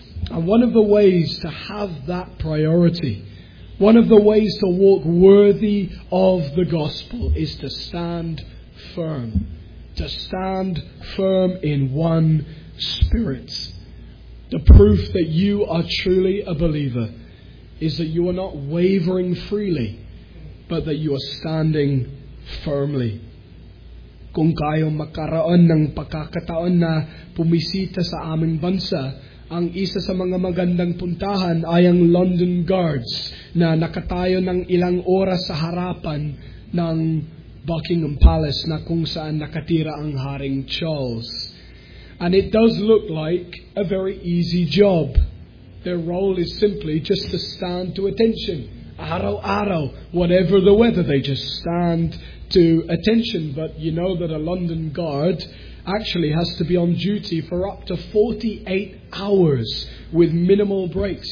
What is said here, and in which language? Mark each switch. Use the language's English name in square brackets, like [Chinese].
[English] And one of the ways to have that priority, one of the ways to walk worthy of the gospel, is to stand firm. To stand firm in one spirit. The proof that you are truly a believer is that you are not wavering freely, but that you are standing firmly. [Filipino] Kung kayo makaraon ng pagkakataon na pumisita sa aming bansa, ang isa sa mga magandang puntahan ay ang London Guards na nakatayo ng ilang oras sa harapan ng Buckingham Palace na kung saan nakatira ang Haring Charles. [English] And it does look like a very easy job. Their role is simply just to stand to attention. [Filipino] Araw-araw, [English] whatever the weather, they just stand to attention. But you know that a London guard actually has to be on duty for up to 48 hours with minimal breaks.